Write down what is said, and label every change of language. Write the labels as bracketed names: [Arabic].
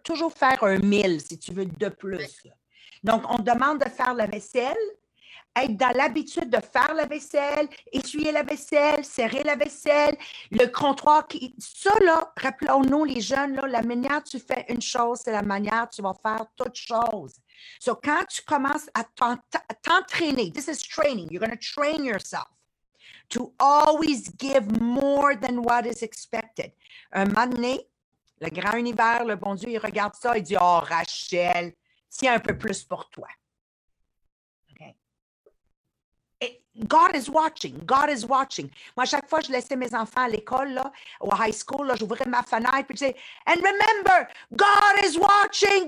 [French] Toujours faire un mille, si tu veux, de plus. Ouais. Donc, on demande de faire la vaisselle, être dans l'habitude de faire la vaisselle, essuyer la vaisselle, serrer la vaisselle, le comptoir. Ça, là, rappelons-nous, les jeunes, là, la manière que tu fais une chose, c'est la manière que tu vas faire toute chose. [English] So, [French] quand tu commences à t'entraîner, [English] this is training, you're going to train yourself to always give more than what is expected. [French] Un moment donné, le grand univers, le bon Dieu, il regarde ça, il dit, oh, Rachel, tiens un peu plus pour toi. [English] God is watching. God is watching. [French] Moi, à chaque fois, je laissais mes enfants à l'école, là, au high school, là, j'ouvrais ma fenêtre, puis je disais, [English] and remember, God is watching.